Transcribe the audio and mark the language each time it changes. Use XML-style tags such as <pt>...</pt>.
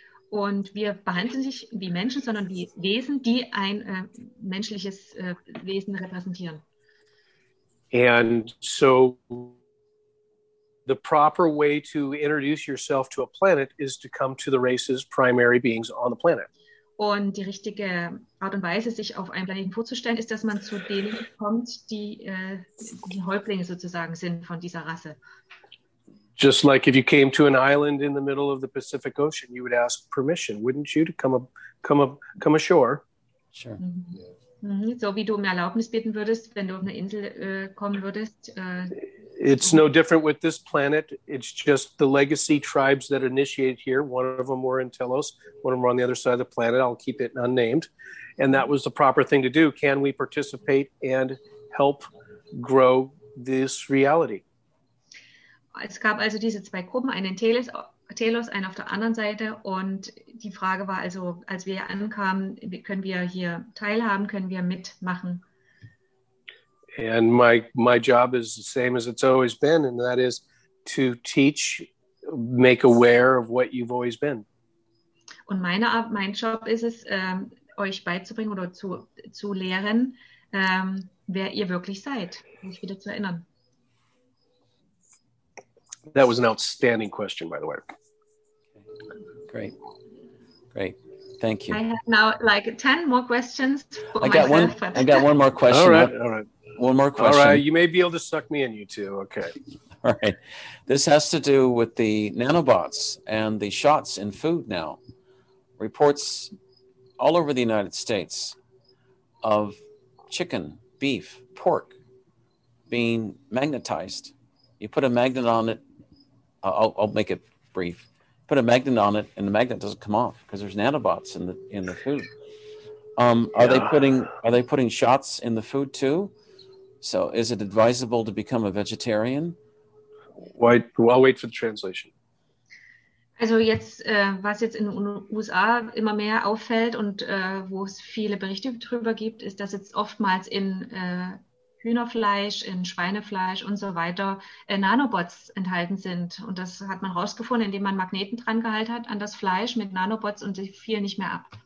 <de>Und wir behandeln nicht wie Menschen, sondern wie Wesen, die ein menschliches Wesen repräsentieren.</de> <en>And so the proper way to introduce yourself to a planet is to come to the race's primary beings on the planet.</en> <de>Und die richtige Art und Weise, sich auf einem Planeten vorzustellen, ist, dass man zu denen kommt, die die Häuptlinge sozusagen sind von dieser Rasse.</de> <en>Just like if you came to an island in the middle of the Pacific Ocean, you would ask permission, wouldn't you, to come ashore? Sure. Mm-hmm.</en> <de>So wie du um Erlaubnis bitten würdest, wenn du auf eine Insel kommen würdest.</de> <en>It's no different with this planet. It's just the legacy tribes that initiated here. One of them were in Telos. One of them were on the other side of the planet. I'll keep it unnamed. And that was the proper thing to do. Can we participate and help grow this reality?</en> <de>Es gab also diese 2 Gruppen, einen in Telos, einen auf der anderen Seite. Und die Frage war also, als wir hier ankamen, können wir hier teilhaben, können wir mitmachen?</de> <en>And my job is the same as it's always been, and that is to teach, make aware of what you've always been.</en> <de>Und mein Job ist es, euch beizubringen oder zu lehren, wer ihr wirklich seid, mich wieder zu erinnern.</de> <en>That was an outstanding question, by the way. Great. Great. Thank you. I have now like 10 more questions for myself. I got one more question. All right. All right. One more question. All right. You may be able to suck me in, you two. Okay. All right. This has to do with the nanobots and the shots in food now. Reports all over the United States of chicken, beef, pork being magnetized. You put a magnet on it. I'll make it brief. Put a magnet on it, and the magnet doesn't come off because there's nanobots in the food. Are they putting shots in the food too? So is it advisable to become a vegetarian? I'll wait for the translation.</en> <de>Also jetzt, was jetzt in den USA immer mehr auffällt und wo es viele Berichte drüber gibt, ist, dass jetzt oftmals in Hühnerfleisch, in Schweinefleisch und so weiter Nanobots enthalten sind. Und das hat man rausgefunden, indem man Magneten dran gehalten hat an das Fleisch mit Nanobots und sie fielen nicht mehr ab.</de>